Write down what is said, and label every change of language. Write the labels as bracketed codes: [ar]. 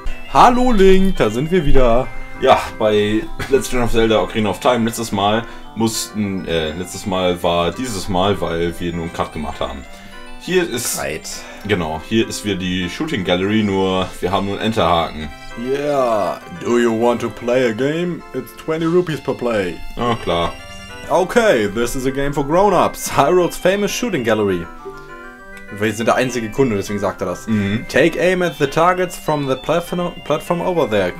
[de] Hallo Link, da sind wir wieder. Ja, bei Let's Legend of Zelda Ocarina of Time. Letztes Mal, weil wir nun einen Cut gemacht haben. Hier ist. [en] Right. [de] Genau, hier ist wieder die Shooting Gallery, nur wir haben nur einen Enterhaken. [en] Yeah, do you want to play a game? It's 20 rupees per play. [de] Oh, klar. [en] Okay, this is a game for grown-ups. Hyrule's famous shooting gallery. [de] Wir sind der einzige Kunde, deswegen sagt er das. Mm-hmm. [en] Take aim at the targets from the platform over there.